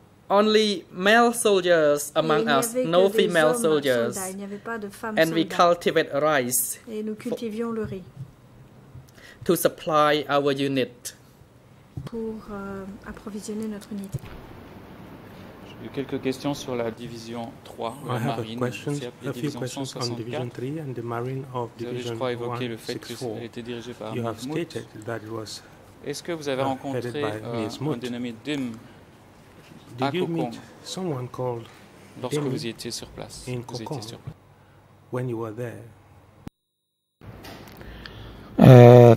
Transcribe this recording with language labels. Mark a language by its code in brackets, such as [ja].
[en] only male soldiers among us, no female soldiers. [fr] Il n'y avait pas de femmes [en] soldats. And we cultivate rice. [fr] Et nous cultivions le riz. [en] To supply our unit. [fr] Pour approvisionner notre unité. J'ai quelques questions sur la division 3, la marine. [en] I have a question, a few questions on division 3 and the marine of division 1, 6, 4. [fr] Vous avez, je crois, évoqué le fait que c'était dirigé par Meas [en] Voeun. You have stated that it was headed by Meas Voeun. [fr] Un dénommé Dim. [en] Did you meet someone called [fr] Dim vous étiez sur place, [en] in Koh Kong when you were there?